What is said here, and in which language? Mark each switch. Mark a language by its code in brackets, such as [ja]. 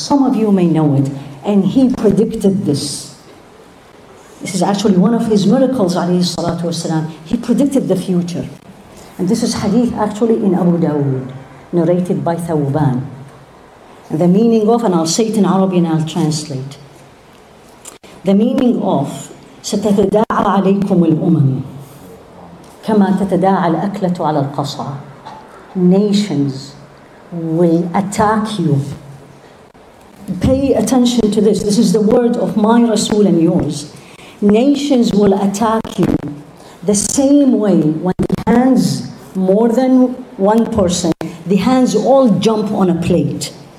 [en] Some of you may know it, and he predicted this. This is actually one of his miracles, alayhi salatu wasalam. He predicted the future. And this is hadith actually in Abu Dawood, narrated by Thawban. And the meaning of, and I'll say it in Arabic and I'll translate. The meaning of, [ar] سَتَتَدَاعَ عَلَيْكُمُ الْأُمَمِ كَمَا تَتَدَاعَ الْأَكْلَةُ عَلَى الْقَصَعَ. [en] Nations will attack you. Pay attention to this. This is the word of my Rasul and yours. Nations will attack you the same way when the hands, more than one person, the hands all jump on a plate.